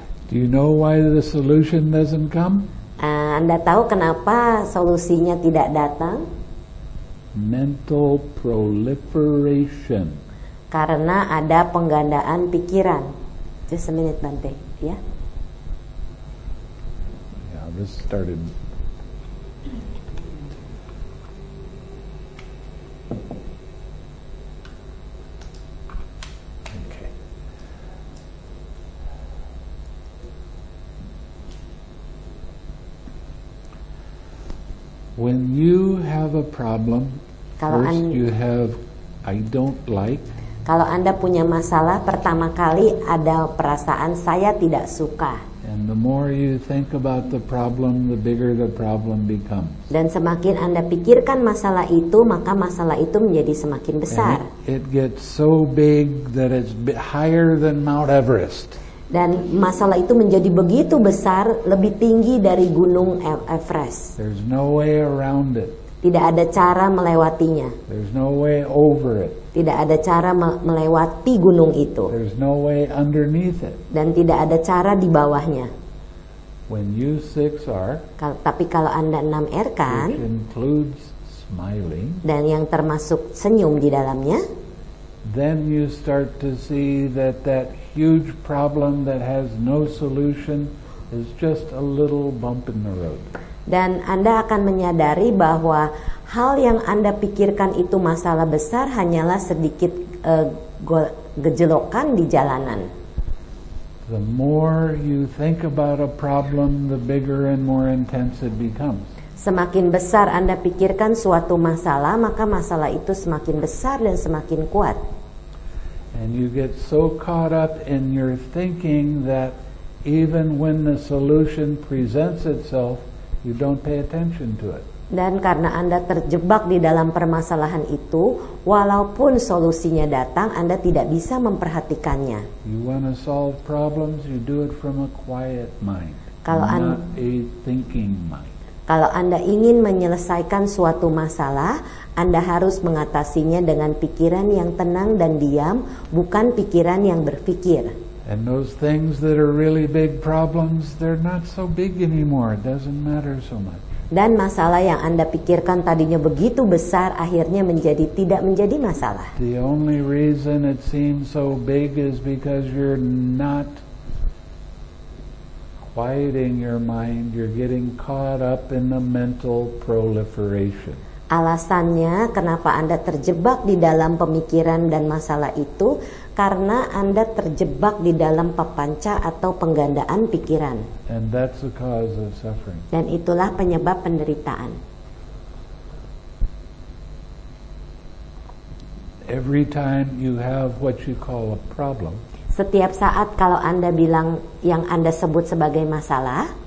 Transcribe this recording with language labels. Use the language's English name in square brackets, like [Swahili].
[English] Do you know why the solution doesn't come? [Indonesian] Anda tahu kenapa solusinya tidak datang? [English] Mental proliferation. [Indonesian] Karena ada penggandaan pikiran. [English] Just a minute, Bante. Yeah, this started. When you have a problem, [Indonesian] kalau [English] first you have I don't like. [Indonesian] Kalau Anda punya masalah, pertama kali ada perasaan saya tidak suka. [English] And the more you think about the problem, the bigger the problem becomes. [Indonesian] Dan semakin Anda pikirkan masalah itu, maka masalah itu menjadi semakin besar. [English] It gets so big that it's higher than Mount Everest. [Indonesian] Dan masalah itu menjadi begitu besar, lebih tinggi dari Gunung Everest. [English] There's no way around it. [Indonesian] Tidak ada cara melewatinya. [English] There's no way over it. [Indonesian] Tidak ada cara melewati gunung itu. [English] There's no way underneath it. [Indonesian] Dan tidak ada cara di bawahnya. [English] When you 6 R, [Indonesian] tapi kalau Anda 6 R kan, [English] which includes smiling, [Indonesian] dan yang termasuk senyum di dalamnya, [English] then you start to see that that huge problem that has no solution is just a little bump in the road. [Indonesian] Dan Anda akan menyadari bahwa hal yang Anda pikirkan itu masalah besar hanyalah sedikit gejolokan di jalanan. [English] The more you think about a problem, the bigger and more intense it becomes. [Indonesian] Semakin besar Anda pikirkan suatu masalah, maka masalah itu semakin besar dan semakin kuat. [English] And you get so caught up in your thinking that even when the solution presents itself, you don't pay attention to it. [Indonesian] Dan karena Anda terjebak di dalam permasalahan itu, walaupun solusinya datang, Anda tidak bisa memperhatikannya. [English] You want to solve problems, you do it from a quiet mind, not a thinking mind. [Indonesian] Kalau Anda ingin menyelesaikan suatu masalah, Anda harus mengatasinya dengan pikiran yang tenang dan diam, bukan pikiran yang berpikir. [English] And those things that are really big problems, they're not so big anymore. It doesn't matter so much. [Indonesian] Dan masalah yang Anda pikirkan tadinya begitu besar, akhirnya menjadi tidak menjadi masalah. [English] The only reason it seems so big is because you're not quieting your mind, you're getting caught up in the mental proliferation. [Indonesian] Alasannya kenapa Anda terjebak di dalam pemikiran dan masalah itu karena Anda terjebak di dalam papanca atau penggandaan pikiran. [English] And that's the cause of suffering. [Indonesian] Dan itulah penyebab penderitaan. [English] Every time you have what you call a problem, [Indonesian] setiap saat kalau Anda bilang yang Anda sebut sebagai masalah,